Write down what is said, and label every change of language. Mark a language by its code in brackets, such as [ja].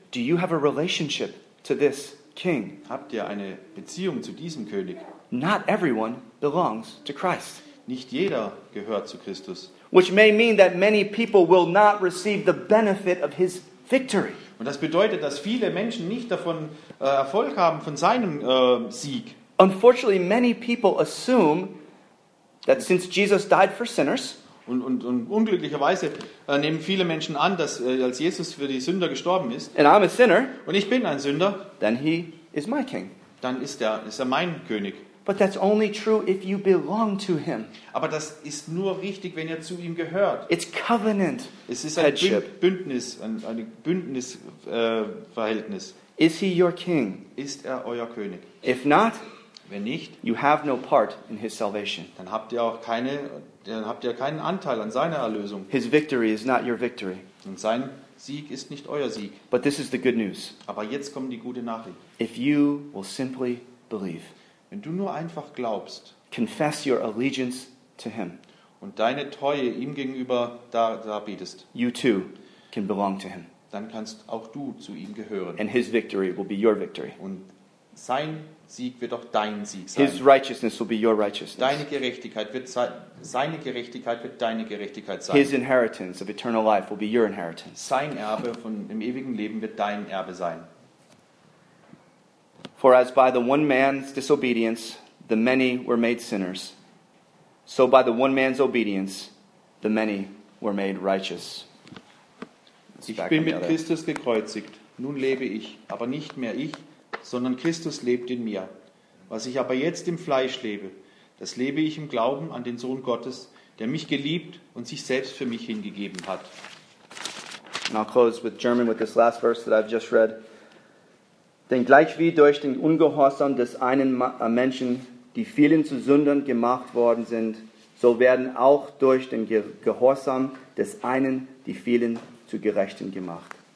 [en] Do you have a relationship to this king? [de] Habt ihr eine Beziehung zu diesem König? [en] Not everyone belongs to Christ. [de] Nicht jeder gehört zu Christus. [en] Which may mean that many people will not receive the benefit of his victory. [de] Und das bedeutet, dass viele Menschen nicht davon Erfolg haben von seinem Sieg. [en] Unfortunately, many people assume that since Jesus died for sinners, [de] Und unglücklicherweise nehmen viele Menschen an, dass als Jesus für die Sünder gestorben ist. [en] And I'm a sinner. [de] Und ich bin ein Sünder. [en] Then he is my king. [de] Dann ist er mein König. [en] But that's only true if you belong to him. [de] Aber das ist nur richtig, wenn ihr zu ihm gehört. [en] It's covenant. [de] Es ist ein Bündnis, ein Bündnisverhältnis. [en] Is he your king? [de] Ist er euer König? [en] If not, [de] wenn nicht, [en] you have no part in his salvation. [de] Dann habt ihr auch keine, dann habt ihr keinen Anteil an seiner Erlösung. [en] His victory is not your victory. [de] Und sein Sieg ist nicht euer Sieg. [en] But this is the good news. [de] Aber jetzt kommt die gute Nachricht. [en] If you will simply believe, [de] wenn du nur einfach glaubst, [en] confess your allegiance to him, [de] und deine Treue ihm gegenüber darbietest, [en] you too can belong to him. [de] Dann kannst auch du zu ihm gehören. [en] And his victory will be your victory. [de] Und sein Sieg wird auch dein Sieg sein. [en] His righteousness will be your righteousness. [de] Seine Gerechtigkeit wird deine Gerechtigkeit sein. [en] His inheritance of eternal life will be your inheritance. [de] Sein Erbe von dem ewigen Leben wird dein Erbe sein. [en] For as by the one man's disobedience the many were made sinners, so by the one man's obedience the many were made righteous. [de] Ich bin mit Christus gekreuzigt. Nun lebe ich, aber nicht mehr ich, sondern Christus lebt in mir. Was ich aber jetzt im Fleisch lebe, das lebe ich im Glauben an den Sohn Gottes, der mich geliebt und sich selbst für mich hingegeben hat. [en] And I'll close with German with this last verse that I've just read. [de] Denn gleich wie durch den Ungehorsam des einen Menschen die vielen zu Sündern gemacht worden sind, so werden auch durch den Gehorsam des einen die vielen zu Gerechten gemacht.